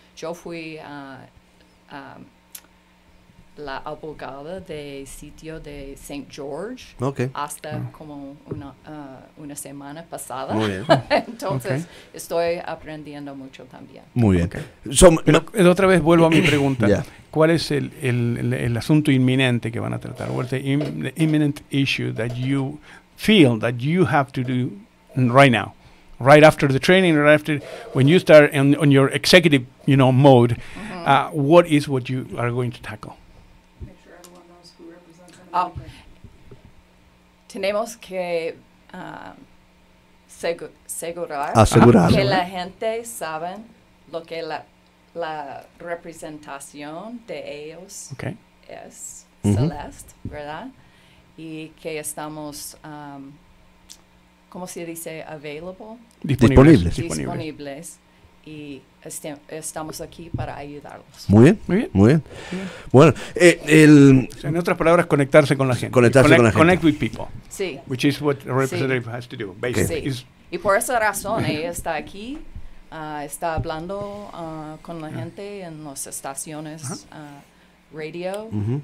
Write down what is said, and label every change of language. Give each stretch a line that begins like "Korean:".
Spanish: Yo fui la abogada de sitio de St. George okay. hasta oh. como una semana pasada. Muy bien. Entonces okay. estoy aprendiendo mucho también. Muy bien. Okay. Pero otra vez vuelvo a mi pregunta. Yeah. ¿Cuál es el asunto inminente que van a tratar?
English: What's the imminent issue that you feel that you have to do right now? Right after the training, right after, when you start on your executive, you know, mode, mm-hmm. What is what you are going to tackle? Make sure everyone knows who represents
Spanish: tenemos que asegurar que la gente sabe lo que la representación de ellos okay. es mm-hmm. Celeste, ¿verdad? Y que estamos, ¿cómo se dice? Available. Disponibles. Disponibles. Y estamos aquí para ayudarlos. Muy bien, muy bien. Muy bien. Bueno, en otras palabras, conectarse con la gente. Con la gente.
English: Connect with people.
Spanish: Sí.
English: Which is what a representative sí. has to do, basically.
Spanish: Sí. Y por esa razón, ella está aquí. Está hablando con la gente en las estaciones radio uh-huh.